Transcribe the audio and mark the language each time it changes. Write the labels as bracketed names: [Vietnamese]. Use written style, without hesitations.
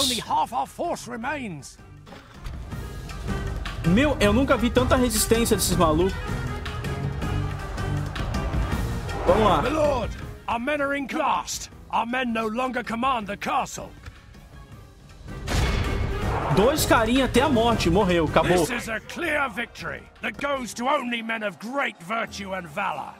[English] Only half our force remains. [Portuguese] Meu, eu nunca vi tanta resistência desses malucos. Vamos lá. [English] My lord, our men are in command. Our men no longer command the castle. [Portuguese] Dois carinhas até a morte, morreu, acabou. [English] This is a clear victory that goes to only men of great virtue and valor.